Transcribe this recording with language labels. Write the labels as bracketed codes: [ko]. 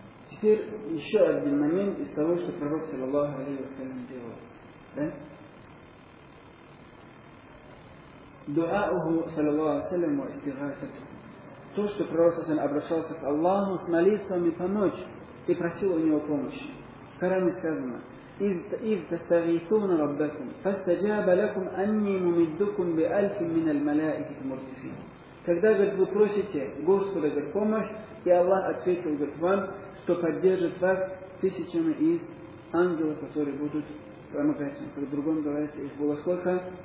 [ru] Теперь еще один момент из того, что пророк, саллаллаху алейхи ва саллям, делал. Да? Дуа'уху, саллаллаху алейхи ва саллям, ва истигафату. То, что пророк, саллаллаху алейхи ва саллям, обращался к Аллаху с молитвами помочь и просил у него помощи. В Коране сказано, [ar] إذ تستغيثون ربكم فاستجاب لكم أني ممدكم بألف من الملائكة مرتفين. [ru] Когда, говорит, вы просите Господа, говорит, помощь, и Аллах ответил, говорит, вам, что поддержит вас тысячами из ангелов, которые будут помогать вам. По-другому говорится, их было сколько?